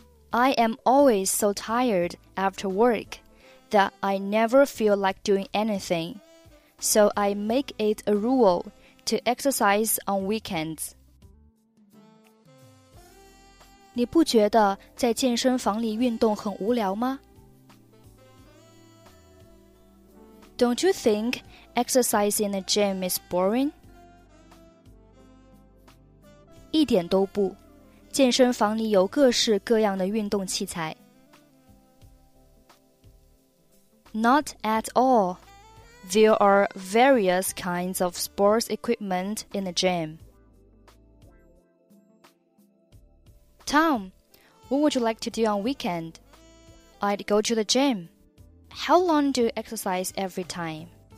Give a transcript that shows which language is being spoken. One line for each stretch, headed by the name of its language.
English: I am always so tired after work that I never feel like doing anything. So I make it a rule to exercise on weekends.
Chinese: 你不觉得在健身房里运动很无聊吗？
English: Don't you think exercising in a gym is boring?
Chinese: 一点都不。健身房里有各式各样的运动器材。
English: Not at all. There are various kinds of sports equipment in the gym. Tom, what would you like to do on weekend? I'd go to the gym. How long do you exercise every time?